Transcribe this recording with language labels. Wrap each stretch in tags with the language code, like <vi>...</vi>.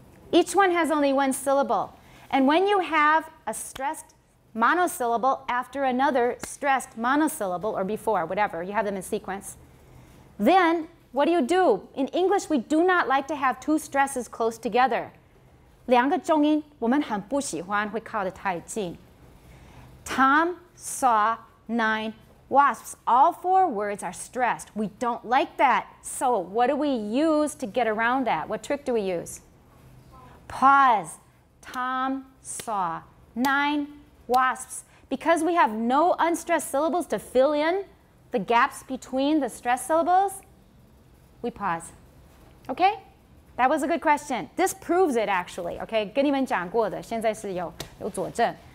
<en>Each one has only one syllable. And when you have a stressed monosyllable after another stressed monosyllable, or before, whatever, you have them in sequence, then what do? In English, we do not like to have two stresses close together.</en> <zh>两个重音,我们很不喜欢会靠得太近.</zh> <en>Tom saw nine wasps. All four words are stressed. We don't like that. So what do we use to get around that? What trick do we use? Pause. Tom saw nine wasps. Because we have no unstressed syllables to fill in the gaps between the stressed syllables, we pause. Okay? That was a good question. This proves it, actually. Okay?</en> <zh>跟你们讲过的,现在是有佐证.</zh>